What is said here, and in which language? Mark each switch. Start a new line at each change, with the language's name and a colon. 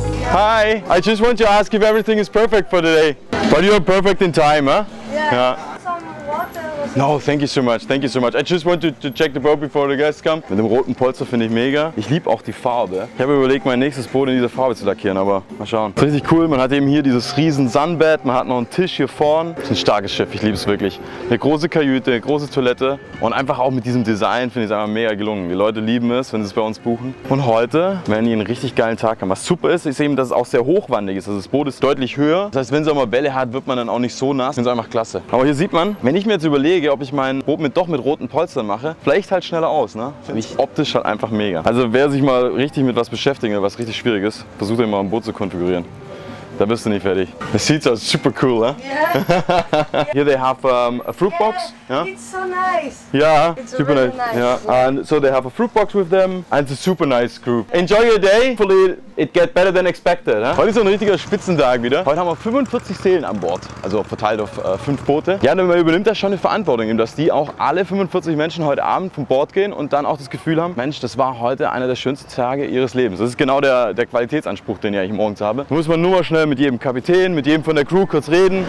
English: Hi, I just want to ask if everything is perfect for today. But you're perfect in time, huh? Yeah, yeah. Some water. No, thank you so much, thank you so much. I just want to check the boat before the guests come.
German: Mit dem roten Polster finde ich mega. Ich liebe auch die Farbe. Ich habe überlegt, mein nächstes Boot in dieser Farbe zu lackieren, aber mal schauen. Ist richtig cool, man hat eben hier dieses riesen Sunbed, man hat noch einen Tisch hier vorn. Ist ein starkes Schiff, ich liebe es wirklich. Eine große Kajüte, eine große Toilette. Und einfach auch mit diesem Design finde ich es einfach mega gelungen. Die Leute lieben es, wenn sie es bei uns buchen. Und heute werden die einen richtig geilen Tag haben. Was super ist, ist eben, dass es auch sehr hochwandig ist. Also das Boot ist deutlich höher. Das heißt, wenn es auch mal Welle hat, wird man dann auch nicht so nass. Das ist einfach klasse. Aber hier sieht man, wenn ich mir jetzt überlege, ob ich mein Boot doch mit roten Polstern mache, vielleicht halt schneller aus. Ne? Finde ich optisch halt einfach mega. Also wer sich mal richtig mit was beschäftigt, was richtig schwierig ist, versucht dann mal ein Boot zu konfigurieren. Da bist du nicht fertig. Das sieht so super cool, ne?
English: Yeah. Here they have a fruit box. Yeah. It's so nice. Yeah. It's super really nice. Yeah. And so they have a fruit box with them. And it's a super nice group. Enjoy your day. Hopefully it get better than expected. Huh?
German: Heute ist ein richtiger Spitzentag wieder. Heute haben wir 45 Seelen an Bord, also verteilt auf 5 Boote. Ja, dann übernimmt er schon eine Verantwortung, dass die auch alle 45 Menschen heute Abend von Bord gehen und dann auch das Gefühl haben, Mensch, das war heute einer der schönsten Tage ihres Lebens. Das ist genau der Qualitätsanspruch, den ich morgens habe. Da muss man nur mal schnell mit jedem Kapitän, mit jedem von der Crew kurz reden.